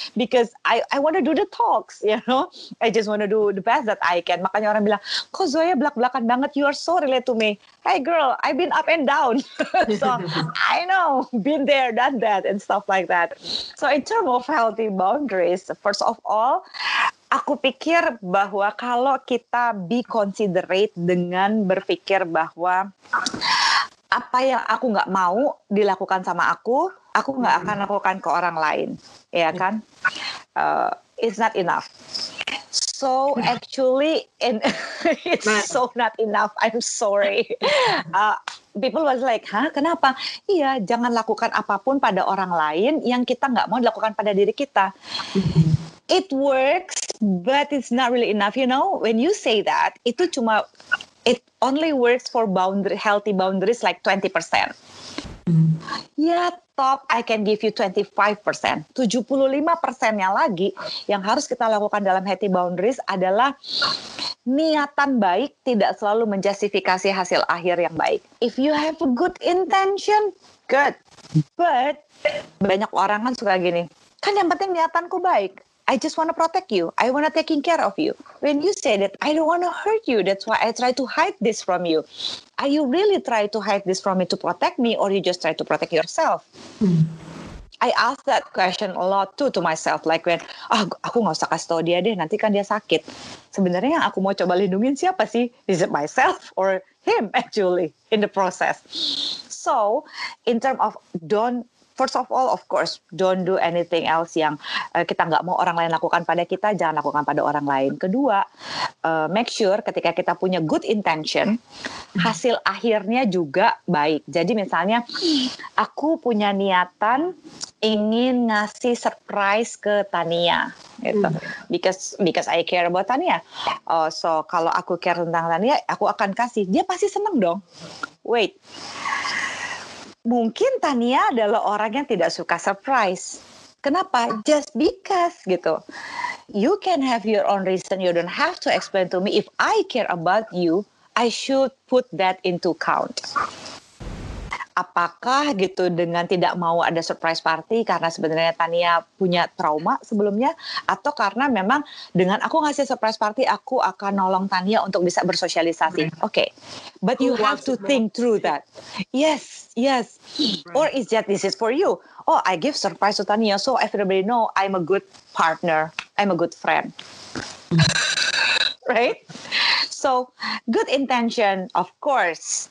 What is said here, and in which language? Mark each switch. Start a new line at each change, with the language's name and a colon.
English: Because I want to do the talks, you know. I just want to do the best that I can.
Indonesian: Makanya orang bilang, kok Zoya blak-blakan banget.
English: You are so related to me. Hey girl, I've been up and down. So I know. Been there, done that, and stuff like that. So in terms of healthy boundaries, first of all,
Indonesian: aku pikir bahwa kalau kita
English: be considerate
Indonesian: dengan berpikir bahwa apa yang aku gak mau dilakukan sama aku gak akan lakukan ke orang lain. Ya kan?
English: It's not enough. So actually, and it's so not enough. I'm sorry. People was like,
Indonesian: "Hah, kenapa?" Iya, jangan lakukan apapun pada orang lain yang kita nggak mau lakukan pada diri kita.
English: It works, but it's not really enough. You know, when you say that,
Indonesian: itu cuma,
English: it only works for boundary, healthy boundaries like 20%. Yeah, top, I can give you 25%.
Indonesian: 75%-nya lagi yang harus kita lakukan dalam healthy boundaries adalah niatan baik tidak selalu menjustifikasi hasil akhir yang baik.
English: If you have a good intention, good. But
Indonesian: banyak orang kan suka gini, kan yang penting niatanku baik.
English: I just want to protect you. I want to taking care of you. When you say that, I don't want to hurt you. That's why I try to hide this from you. Are you really try to hide this from me to protect me, or you just try to protect yourself? I ask that question a lot too to myself. Like when,
Indonesian: aku gak usah kasih tau dia deh, nanti kan dia sakit. Sebenarnya yang aku mau coba lindungin siapa sih?
English: Is it myself or him actually in the process? So, in terms of first of all, of course, don't do anything else
Indonesian: yang kita nggak mau orang lain lakukan pada kita, jangan lakukan pada orang lain. Kedua,
English: make sure
Indonesian: ketika kita punya good intention, hasil akhirnya juga baik. Jadi misalnya, aku punya niatan ingin ngasih surprise ke Tania, gitu.
English: Because I care about Tania.
Indonesian: So kalau aku care tentang Tania, aku akan kasih. Dia pasti seneng dong.
English: Wait.
Indonesian: Mungkin Tania adalah orang yang tidak suka surprise. Kenapa?
English: Just because, gitu. You can have your own reason. You don't have to explain to me. If I care about you, I should put that into account.
Indonesian: Apakah gitu dengan tidak mau ada surprise party karena sebenarnya Tania punya trauma sebelumnya, atau karena memang dengan aku ngasih surprise party aku akan nolong Tania untuk bisa bersosialisasi.
English: Okay, but you have to think through that. Yes, yes. Or is that this is for you? Oh, I give surprise to Tania so everybody know I'm a good partner, I'm a good friend. Right? So, good intention, of course.